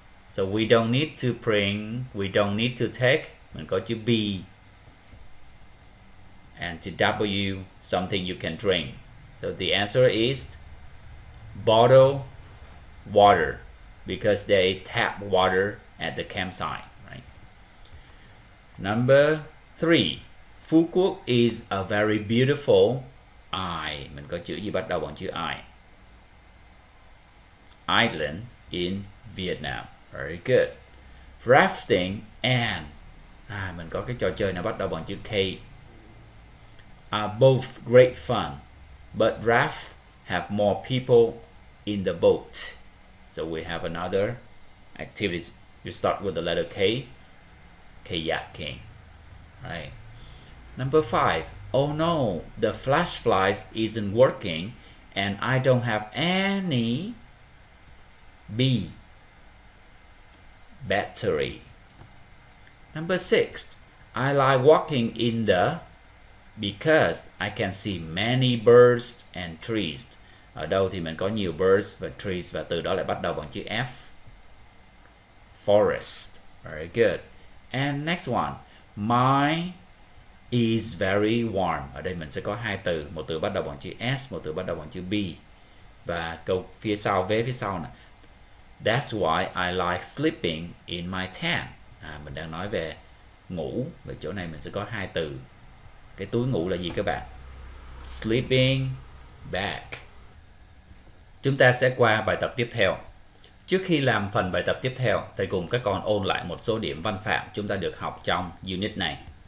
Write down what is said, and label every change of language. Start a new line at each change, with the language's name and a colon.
English: So we don't need to bring, we don't need to take,
Vietnamese: mình có chữ B,
English: and to W, something you can drink. So the answer is bottle water, because they tap water at the campsite, right? Number 3, Phú Quốc is a very beautiful I,
Vietnamese: mình có chữ gì bắt đầu bằng chữ I?
English: Island in Vietnam. Very good. Rafting and
Vietnamese: mình có cái trò chơi nào bắt đầu bằng chữ K
English: are both great fun, but raft have more people in the boat. So we have another activities. You start with the letter K, kayaking. Right. Number 5. Oh no, the flash flies isn't working and I don't have any B, battery. Number 6, I like walking in the, because I can see many birds and trees.
Vietnamese: Ở đâu thì mình có nhiều birds và trees và từ đó lại bắt đầu bằng chữ F. Forest. Very good.
English: And next one, my is very warm.
Vietnamese: Ở đây mình sẽ có hai từ, một từ bắt đầu bằng chữ S, một từ bắt đầu bằng chữ B. Và câu phía sau, vế phía sau nè.
English: That's why I like sleeping in my tent.
Vietnamese: Mình đang nói về ngủ. Vậy chỗ này mình sẽ có hai từ. Cái túi ngủ là gì các bạn?
English: Sleeping bag.
Vietnamese: Chúng ta sẽ qua bài tập tiếp theo. Trước khi làm phần bài tập tiếp theo, thầy cùng các con ôn lại một số điểm văn phạm chúng ta được học trong unit này.